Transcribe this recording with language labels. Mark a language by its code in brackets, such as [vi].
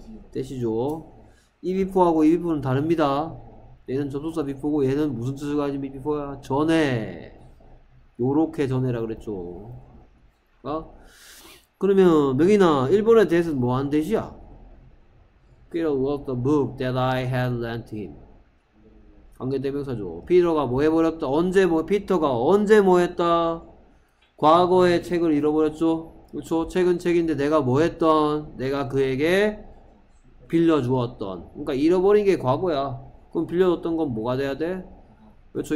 [ko] 대시죠. 네, 이 before하고 이 before는 다릅니다. 얘는 접속사 before고 얘는 무슨 뜻을 가진 이 before야? 전에, 요렇게 전에라 그랬죠. 아? 그러면 명인아, 1번에 대해서 뭐 한 대시야? [en] Peter loved the book that I had lent him. [ko] 관계대명사죠. 피터가 뭐 해버렸다? 언제 뭐, 피터가 언제 뭐 했다? 과거의 책을 잃어버렸죠. 그렇죠? 책은 책인데 내가 뭐 했던? 내가 그에게 빌려주었던. 그러니까 잃어버린 게 과거야. 그럼 빌려줬던 건 뭐가 돼야 돼? 그렇죠?